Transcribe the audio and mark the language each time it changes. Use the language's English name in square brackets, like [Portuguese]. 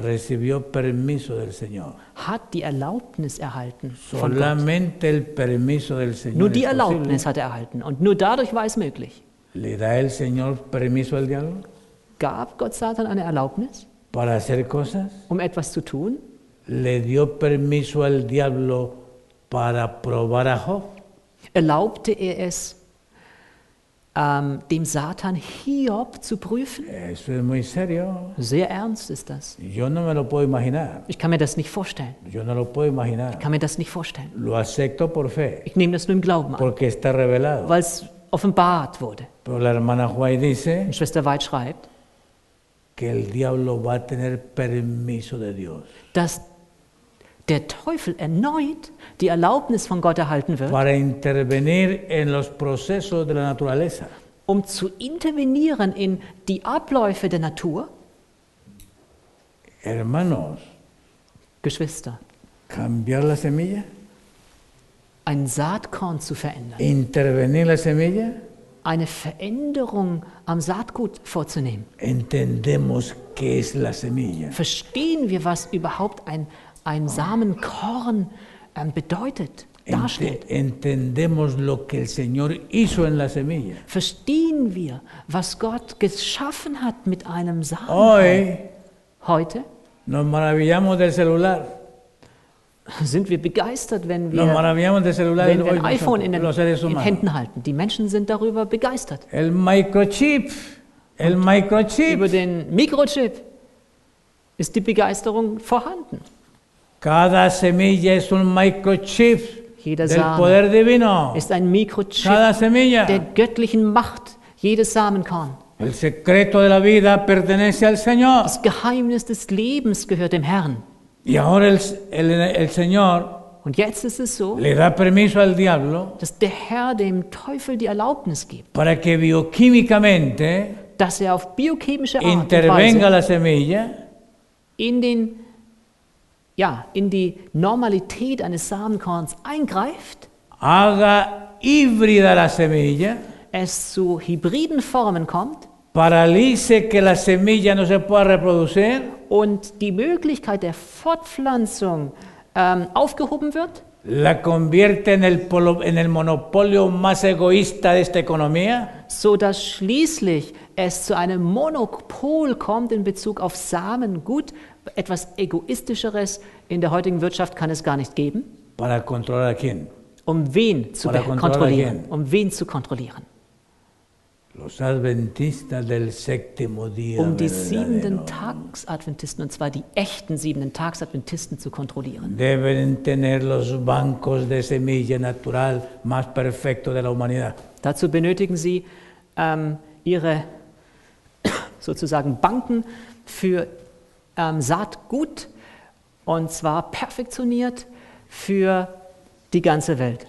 [Spanish] recibió permiso del Señor. [German] Hat die Erlaubnis erhalten [Spanish] solamente [German] von Gott. [Spanish] El permiso del Señor [German] nur die Erlaubnis hat er erhalten und nur dadurch war es möglich. [Spanish] Le da el Señor permiso al diablo? [German] Gab Gott Satan eine Erlaubnis, [Spanish] para hacer cosas? [German] Um etwas zu tun? [Spanish] Le dio permiso al diablo para probar a Job? [German] Erlaubte er es, dem Satan Hiob zu prüfen? [Spanish] Eso es muy serio. [German] Sehr ernst ist das. [Spanish] Yo no me lo puedo imaginar. [German] Ich kann mir das nicht vorstellen. [Spanish] Yo no lo puedo imaginar. [German] Ich kann mir das nicht vorstellen. [Spanish] Lo acepto por fe. [German] Ich nehme das nur im Glauben an. [Spanish] Porque está revelado. [German] Weil es offenbart wurde. [Spanish] Pero la hermana White dice, [German] und Schwester White schreibt, [Spanish] que el diablo va a tener permiso de Dios. [German] Dass der Teufel erneut die Erlaubnis von Gott erhalten wird, [Spanish] para intervenir en los procesos de la naturaleza. [German] Um zu intervenieren in die Abläufe der Natur. [Spanish] Hermanos, [German] Geschwister, [Spanish] cambiar la semilla? [German] Ein Saatkorn zu verändern. [Spanish] Intervenir la semilla? [German] Eine Veränderung am Saatgut vorzunehmen. [Spanish] Entendemos qué es la semilla. [German] Verstehen wir, was überhaupt ein Samenkorn bedeutet, darstellt. [Spanish] Entendemos lo que el Señor hizo en la semilla. [German] Verstehen wir, was Gott geschaffen hat mit einem Samenkorn. [Spanish] Hoy, [German] heute, [Spanish] nos maravillamos del celular. [German] Sind wir begeistert, wenn wir, wenn wir ein iPhone in Händen halten. Die Menschen sind darüber begeistert. [Spanish] El Microchip. [German] Über den Mikrochip ist die Begeisterung vorhanden. [Spanish] Cada semilla es un microchip [German] Jeder [Spanish] del poder divino. [German] Ist ein Mikrochip der göttlichen Macht, jedes Samenkorn. [Spanish] El secreto de la vida pertenece al Señor. [German] Das Geheimnis des Lebens gehört dem Herrn. [Spanish] Y ahora el Señor [German] Und jetzt ist es so, [Spanish] le da permiso al diablo, [German] dass der Herr dem Teufel die Erlaubnis gibt, [Spanish] para que bioquímicamente, [German] dass er auf biochemische Art [Spanish] intervenga la semilla, [German] in die Normalität eines Samenkorns eingreift, [Spanish] haga híbrida la semilla, [German] es zu hybriden Formen kommt, [Spanish] paralice que la semilla no se pueda reproducir, [German] und die Möglichkeit der Fortpflanzung aufgehoben wird, [Spanish] la convierte en el monopolio más egoísta de esta economía, [German] so dass schließlich es zu einem Monopol kommt in Bezug auf Samengut. Etwas Egoistischeres in der heutigen Wirtschaft kann es gar nicht geben. [Spanish] Para controlar a quien? [German] Um wen zu kontrollieren? Um wen zu kontrollieren? [Spanish] Los Adventistas del séptimo día. [German] Um die siebenten Tagsadventisten, und zwar die echten siebenten Tagsadventisten, zu kontrollieren. [Spanish] Deben tener los bancos de semilla natural más perfecto de la humanidad. [German] Dazu benötigen sie ihre sozusagen Banken für Saatgut, und zwar perfektioniert für die ganze Welt.